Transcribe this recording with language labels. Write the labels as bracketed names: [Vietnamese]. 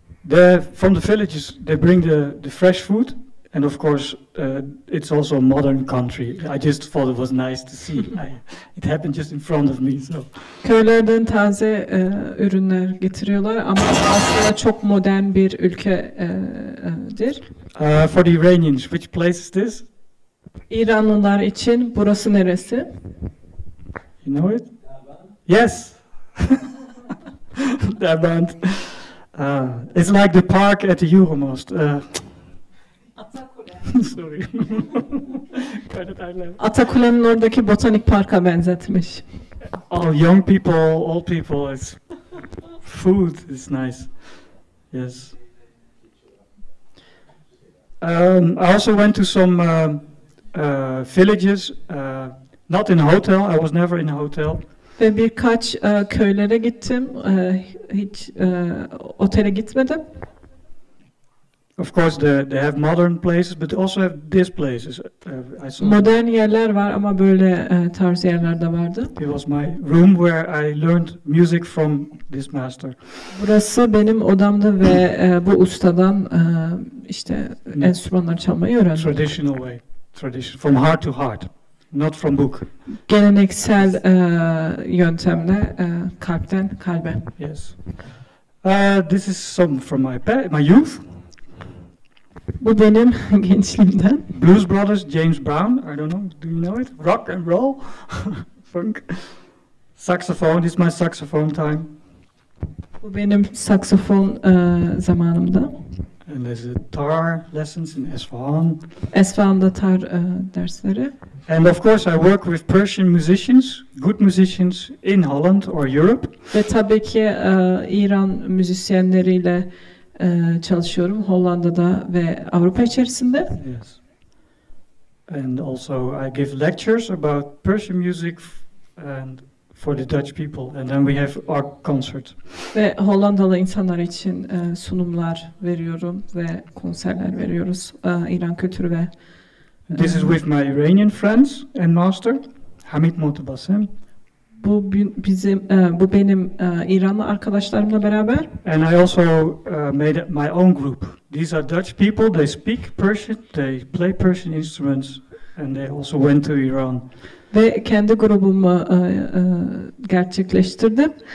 [English] The from the villages they bring the fresh food And of course, it's also a modern country. I just thought it was nice to see. It happened just in front of me, so. [Turkish] Köylerden taze ürünler getiriyorlar ama aslında çok modern bir ülkedir. [English] For the Iranians, which place is this? [Turkish] İranlılar için burası neresi? [English] You know it? Yes. Derbent. It's like the park at the Euromost. Sorry. [Turkish] Atakule'nin oradaki botanik parka benzetmiş. [English] All young people, old people, it's food is nice. Yes. I also went to some villages, not in a hotel. I was never in a hotel. [Turkish] Ve birkaç köylere gittim. Hiç otele gitmedim. [English] Of course, they have modern places, but they also have this places. I saw. [Turkish] Modern yerler var ama böyle tarz yerler de vardı. [English] It was my room where I learned music from this master. [Turkish] Burası benim odamdı ve bu ustadan işte enstrümanları çalmayı öğrendim. [English] Traditional way, tradition from heart to heart, not from book. [Turkish] Geleneksel yöntemle kalpten kalbe. [English] Yes. This is some from my youth. [Turkish] Bu benim gençliğimden. [English] Blues Brothers, James Brown, I don't know, do you know it? Rock and roll, funk, saxophone, this is my saxophone time. [Turkish] Bu benim saxophone zamanımda. [English] And there's a tar lessons in Esfahan. [Turkish] Esfahan'da tar dersleri. [English] And of course I work with Persian musicians, good musicians in Holland or Europe. [Turkish] Ve tabii ki İran müzisyenleriyle çalışıyorum Hollanda'da ve Avrupa içerisinde. [English] Yes. And also I give lectures about Persian music and for the Dutch people and then we have our concert. [Turkish] Ve Hollandalı insanlar için sunumlar veriyorum ve konserler veriyoruz İran kültürü ve [English] This is with my Iranian friends and master Hamid Motabassem. [Turkish] Bu bizim bu benim İranlı arkadaşlarımla beraber. [English] And I also made my own group. These are Dutch people. They speak Persian. They play Persian instruments. And they also went to Iran. [Turkish] Ve kendi grubumu gerçekleştirdim.